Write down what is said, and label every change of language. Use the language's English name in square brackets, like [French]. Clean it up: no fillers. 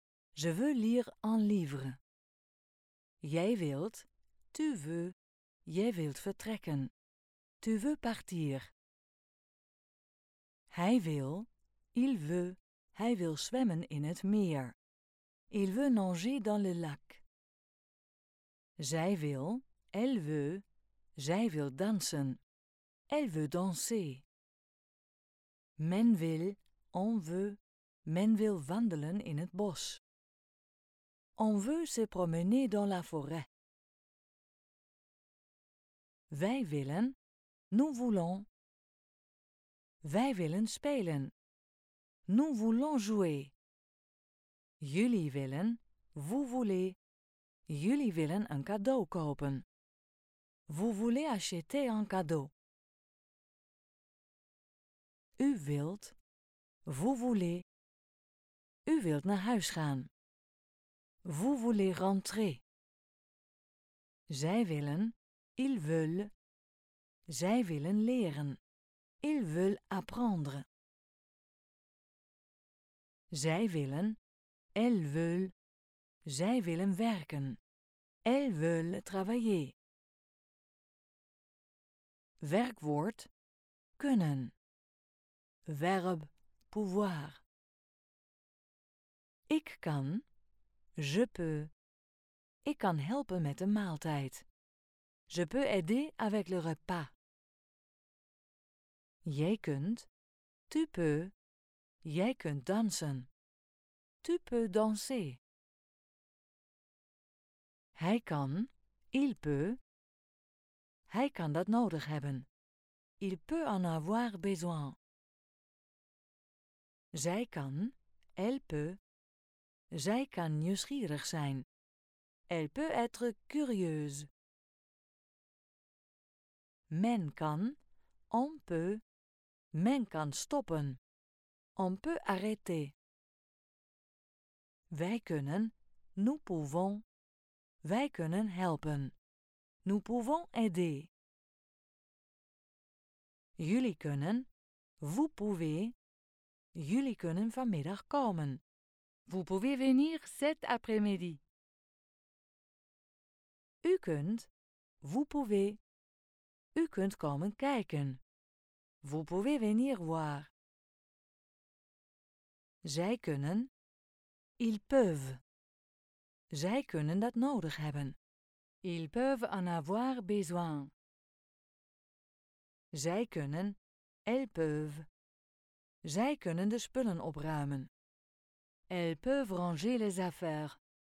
[French] Je veux lire un livre. [Dutch] Jij wilt, [French] tu veux, [Dutch] jij wilt vertrekken. [French] Tu veux partir. [Dutch] Hij wil, [French] il veut, [Dutch] hij wil zwemmen in het meer. [French] Il veut nager dans le lac. [Dutch] Zij wil, [French] elle veut, [Dutch] zij wil dansen. [French] Elle veut danser. [Dutch] Men wil, [French] on veut, [Dutch] men wil wandelen in het bos. [French] On veut se promener dans la forêt. [Dutch] Wij willen, [French] nous voulons. [Dutch] Wij willen spelen. [French] Nous voulons jouer. [Dutch] Jullie willen, [French] vous voulez. [Dutch] Jullie willen een cadeau kopen. [French] Vous voulez acheter un cadeau. [Dutch] U wilt, [French] vous voulez. [Dutch] U wilt naar huis gaan. [French] Vous voulez rentrer. [Dutch] Zij willen, [French] ils veulent. [Dutch] Zij willen leren. [French] Ils veulent apprendre. [Dutch] Zij willen, [French] elles veulent. [Dutch] Zij willen werken. [French] Elles veulent travailler. [Dutch] Werkwoord, kunnen. Verb, pouvoir. Ik kan, [French] je peux. [Dutch] Ik kan helpen met de maaltijd. [French] Je peux aider avec le repas. [Dutch] Jij kunt, [French] tu peux. [Dutch] Jij kunt dansen. [French] Tu peux danser. [Dutch] Hij kan, [French] il peut. [Dutch] Hij kan dat nodig hebben. [French] Il peut en avoir besoin. [Dutch] Zij kan, [French] elle peut. [Dutch] Zij kan nieuwsgierig zijn. [French] Elle peut être curieuse. [Dutch] Men kan, [French] on peut. [Dutch] Men kan stoppen. [French] On peut arrêter. [Dutch] Wij kunnen, [French] nous pouvons. [Dutch] Wij kunnen helpen. [French] Nous pouvons aider. [Dutch] Jullie kunnen, [French] vous pouvez. [Dutch] Jullie kunnen vanmiddag komen. [French] Vous pouvez venir cet après-midi. [Dutch] U kunt, [French] vous pouvez. [Dutch] U kunt komen kijken. [French] Vous pouvez venir voir. [Dutch] Zij kunnen. [French] Ils peuvent. [Dutch] Zij kunnen dat nodig hebben. [French] Ils peuvent en avoir besoin. [Dutch] Zij kunnen. [French] Elles peuvent. [Dutch] Zij kunnen de spullen opruimen. [French] Elles peuvent ranger les affaires.